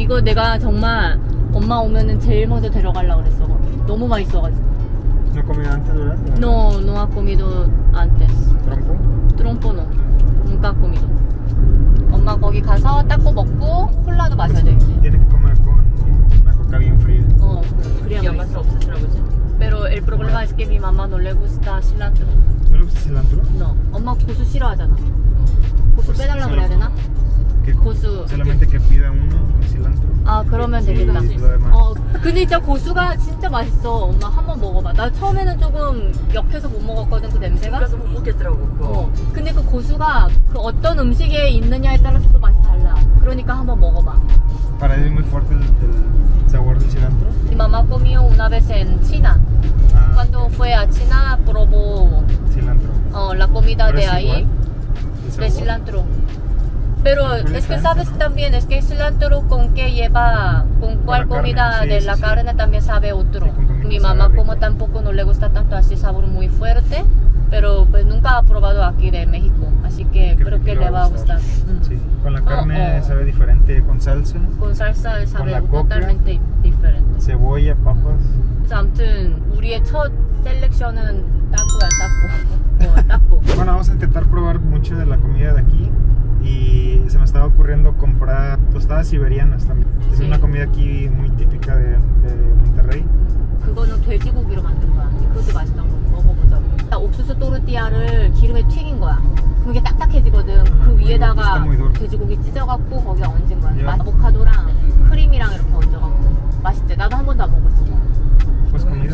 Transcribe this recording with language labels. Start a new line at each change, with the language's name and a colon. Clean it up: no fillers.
Korean: 이거 내가 정말 엄마 오면은 제일 먼저 데려가려고 그랬어. 너무 맛있어가지고.
Spanish: No comido antes, ¿verdad? No, no ha comido antes. ¿Trompo? Trompo no. Nunca comido.
Korean: 엄마 거기 가서 taco 먹고 콜라도 마셔야 돼.
Spanish: Tiene que comer con una coca bien fría.
Korean: 어, 그래야 맛있어. 없으시라고지.
Spanish: Pero el problema es que mi mamá no le gusta cilantro. ¿No le gusta cilantro?
Korean: No. 엄마 고수 싫어하잖아. 고수 빼달라고 해야 되나? 고수.
Spanish: Solamente que pida uno con cilantro.
Korean: 아, 그러면 되겠다. 어, 근데 진짜 고수가 진짜 맛있어. 엄마 한번 먹어봐. 나 처음에는 조금 역해서 못 먹었거든, 그 냄새가. 그래서 못 먹겠더라고. 어. 근데 그 고수가 그 어떤 음식에 있느냐에 따라서 또 맛이 달라. 그러니까 한번 먹어봐.
Spanish: Para él es muy fuerte el sabor del cilantro. Mi mamá comió una vez en China. Ah. Cuando fue a China, probó cilantro. La comida de ahí. Igual, de cilantro. Pero es que sabes, ¿no? También, es que el cilantro con qué lleva, con cuál comida sí, de la sí, carne sí. También sabe otro. Sí, mi mamá como tampoco no le gusta tanto así sabor muy fuerte, pero pues nunca ha probado aquí de México. Así que creo que le va a gustar. Sí, con la carne sabe diferente, con salsa. Con salsa sabe con totalmente coca, diferente. Cebolla, papas.
Korean: 아무튼 우리의 첫 셀렉션은 따꾸야, 따꾸. 따꾸.
Spanish: Bueno, vamos a intentar probar mucho de la comida de aquí. Y se me estaba ocurriendo comprar tostadas siberianas también. Es una comida aquí muy típica de Monterrey.
Korean: 그거는 돼지고기로 만든 거야. 그것도 맛있던 거 먹어보자고. 딱 옥수수 또르띠아를 기름에 튀긴 거야. 그게 딱딱해지거든. 그 위에다가 돼지고기 찢어갖고 거기 얹은 거야.
English: Yeah.
Korean: 아보카도랑 크림이랑 이렇게 얹어갖고. 맛있대. 나도 한 번도 안 먹었어.